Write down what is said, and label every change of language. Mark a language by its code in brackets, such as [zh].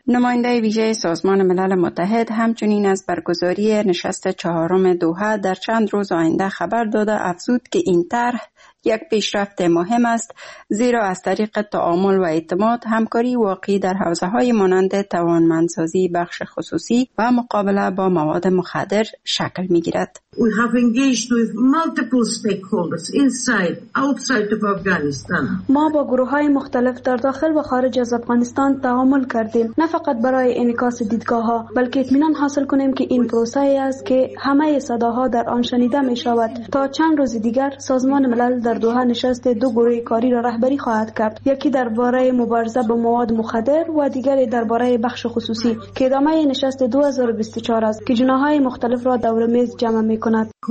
[fa] نماینده ویژه سازمان ملل متحد همچنین از برگزاری نشست 4 دوحه در چند روز آینده خبر داده افزود که این طرح یک پیشرفت مهم است، زیرا از طریق تعامل و اعتماد همکاری واقعی در حوزه های مانند توانمندسازی بخش خصوصی و مقابله با مواد مخدر شکل می گیرد. [en] We have engaged with multiple stakeholders inside, outside of Afghanistan. [fa] ما با گروه های مختلف در داخل و خارج از افغانستان تعامل کردیم، نه فقط برای انعکاس دیدگاه ها، بلکه اطمینان حاصل کنیم که این پروسه است که همه صداها در آن شنیده می شود. تا چند روز دیگر سازمان ملل اول در دوحه نشست دو گروه کاری را رهبری خواهد کرد، یکی درباره مبارزه با مواد مخدر و دیگری درباره بخش خصوصی که ادامه نشست 2024 است که جناح‌های مختلف را دور میز جمع می‌کند.